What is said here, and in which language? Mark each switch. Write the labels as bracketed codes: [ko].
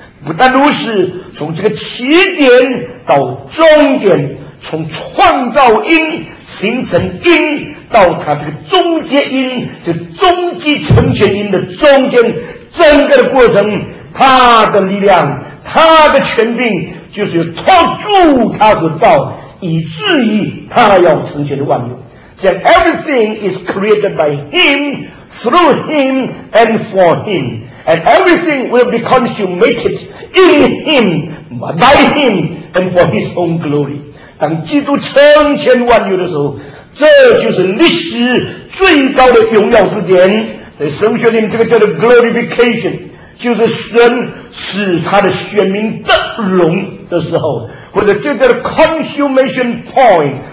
[zh] 不但如此，从这个起点到终点，从创造因形成因到他这个终结因，就终极成全因的中间整个的过程，他的力量他的权柄就是托住他所造以至于他要成全的万有。 [en] 像 Everything is created by him, through him and for him, and everything will be consummated in him, by him and for his own glory。 [zh] 当基督成全万有的时候，这就是历史最高的荣耀之点。在神学里面这个叫做 glorification， 就是神使他的选民得荣的时候，或者这叫做 consummation point，